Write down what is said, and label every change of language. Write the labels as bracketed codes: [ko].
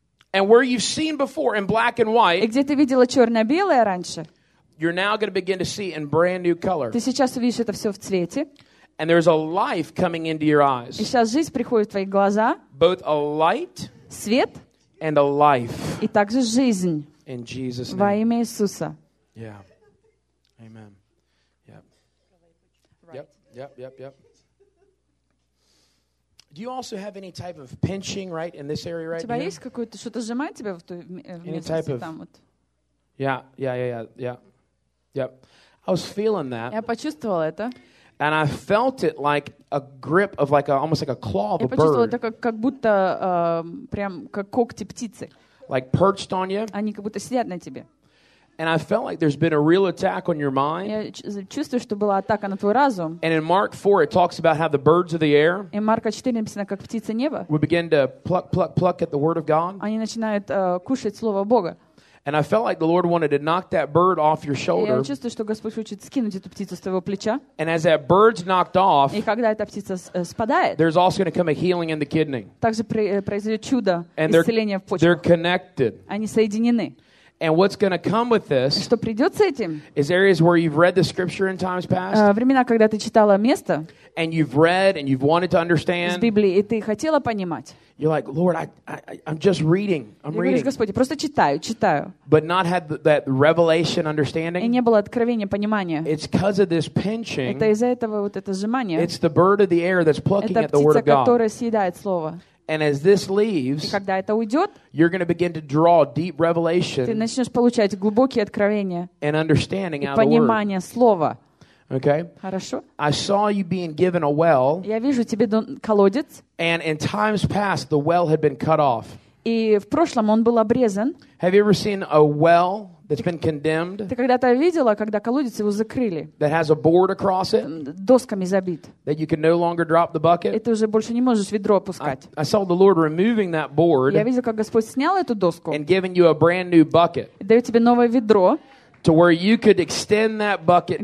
[en] And where you've seen before in black and white, [ru] и где ты видела черно-белое раньше, [en] you're now going to begin to see in brand new color. [ru] Ты сейчас увидишь это все в цвете. [en] And there's a life coming into your eyes. [ru] И сейчас жизнь приходит в твои глаза. [en] Both a light, [ru] свет, [en] and a life. [ru] И также жизнь. [en] In Jesus' name. [ru] Во имя Иисуса. [en] Yeah. Amen. Yep. Yep. Yep. Yep. Yep. Do you also have any type of pinching right in this area right [ru] here? У тебя есть какое-то что-то сжимает тебя в той местности там вот? [en] Yeah. I was feeling that. [ru] Я почувствовала это. [en] And I felt it like a grip of like a, almost like a claw of a bird. [ru] Я почувствовала это как будто прям как когти птицы. [en] Like perched on you. [ru] Они как будто сидят на тебе. [en] And I felt like there's been a real attack on your mind. [ru] Я чувствую, что была атака на твой разум. [en] And in Mark 4, it talks about how the birds of the air. [ru] И Марка 4 написано, как птицы неба. [en] We begin to pluck at the word of God. [ru] Они начинают кушать слово Бога. [en] And I felt like the Lord wanted to knock that bird off your shoulder. [ru] Я чувствую, что Господь хочет скинуть эту птицу с твоего плеча. [en] And as that bird's knocked off. [ru] И когда эта птица спадает. [en] There's also going to come a healing in the kidney. [ru] Также произойдет чудо исцеления в почках. [en] They're connected. [ru] Они соединены. [en] And what's going to come with this? [ru] Что придёт с этим? [en] Is areas where you've read the scripture in times past? [ru] Времена, когда ты читала место. [en] And you've read and you've wanted to understand. [ru] Из Библии, и ты хотела понимать. [en] You're like, Lord, I'm just reading. I'm reading. [ru] И говоришь, Господи, просто читаю. [en] But not had that revelation understanding. [ru] И не было откровения, понимания. [en] It's because of this pinching. [ru] Это из-за этого вот это сжимание. [en] It's the bird of the air that's plucking [ru] птица, [en] at the word of God. [ru] Это птица, которая съедает слово. [en] And as this leaves, [ru] и когда это уйдет, [en] you're going to begin to draw deep revelation. [ru] Ты начнешь получать глубокие откровения. [en] And understanding out of [ru] понимание слова. [en] Okay. [ru] Хорошо. [en] I saw you being given a well. [ru] Я вижу тебе колодец. [en] And in times past, the well had been cut off. [ru] И в прошлом он был обрезан. [en] Have you ever seen a well that's been condemned? [ru] Ты когда-то видела, когда колодец его закрыли? [en] That has a board across it? [ru] Досками забит. [en] That you can no longer drop the bucket? [ru] И ты уже больше не можешь ведро опускать. [en] I saw the Lord removing that board. [ru] Я видел, как Господь снял эту доску. [en] And giving you a brand new bucket. [ru] Дает тебе новое ведро. [en] To where you could extend that bucket down.